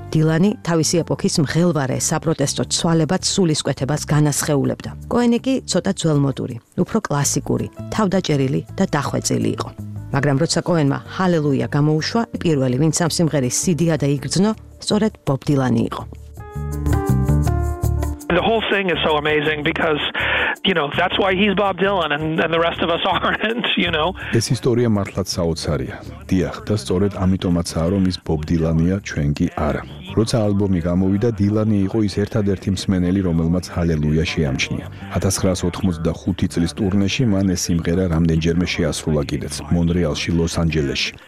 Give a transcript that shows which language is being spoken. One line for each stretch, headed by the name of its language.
Georgian: დილანი თავისი ეპოქის მღელვარე საპროტესტო ცვალებად სულისკვეთებას განასხეულებდა. კოენი კი ცოტა ძველმოდური, უფრო კლასიკური, თავდაჭერილი და დახვეწილი იყო. მაგრამ როცა კოენმა ჰალელუია გამოუშვა, პირველი ვინც ამ სიმღერის სიდია და იგრძნო, სწორედ ბობ დილანი იყო.
English: The whole thing is so amazing because you know that's why he's Bob Dylan and the rest of us aren't, you know.
Georgian: ეს ისტორია მართლაც საოცარია. დიახ, და სწორედ ამიტომაცაა რომ ის ბობ დილანია, ჩვენ კი არა. როცა ალბომი გამოვიდა, დილანი იყო ის ერთადერთი მსმენელი, რომელმაც ჰალელუია შეამჩნია. 1985 წლის ტურნეში მან ეს სიმღერა რამდენჯერმე შეასრულა კიდეც მონრეალში, ლოს-ანჯელესში.